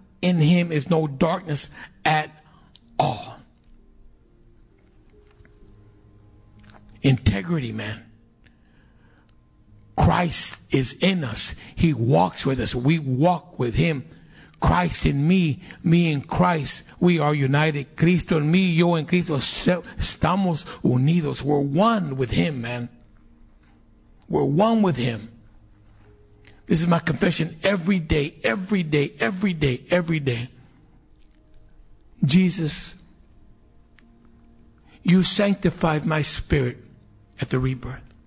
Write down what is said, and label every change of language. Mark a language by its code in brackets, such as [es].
[en] In him is no darkness at all. Integrity, man. Christ is in us. He walks with us. We walk with him. Christ in me, me in Christ, we are united. [es] Cristo en mí, yo en Cristo, estamos unidos. [en] We're one with him, man. We're one with him. This is my confession every day, every day, every day, every day. Jesus, you sanctified my spirit at the rebirth.